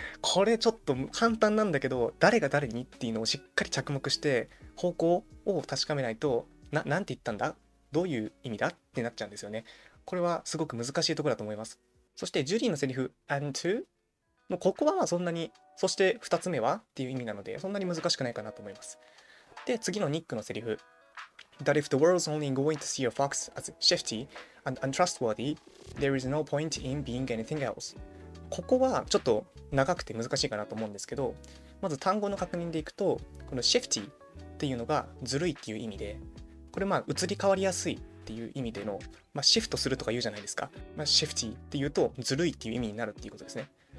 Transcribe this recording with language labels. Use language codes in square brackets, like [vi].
[ja] これちょっと簡単なんだけど、誰が誰にっていうのをしっかり着目して方向を確かめないと、なんて言ったんだ、どういう意味だってなっちゃうんですよね。これはすごく難しいところだと思います。そしてジュリーのセリフ and to、 もうここはそんなに、そして2つ目はっていう意味なのでそんなに難しくないかなと思います。で次のニックのセリフ、 [en] that if the world's only going to see a fox as shifty and untrustworthy, there is no point in being anything else。 [ja] ここはちょっと長くて難しいかなと思うんですけど、まず単語の確認でいくと、この shifty っていうのがずるいっていう意味で、これまあ移り変わりやすいっていう意味での、まあ、シフトするとか言うじゃないですか、まあ、シェフティーって言うとずるいっていう意味になるっていうことですね。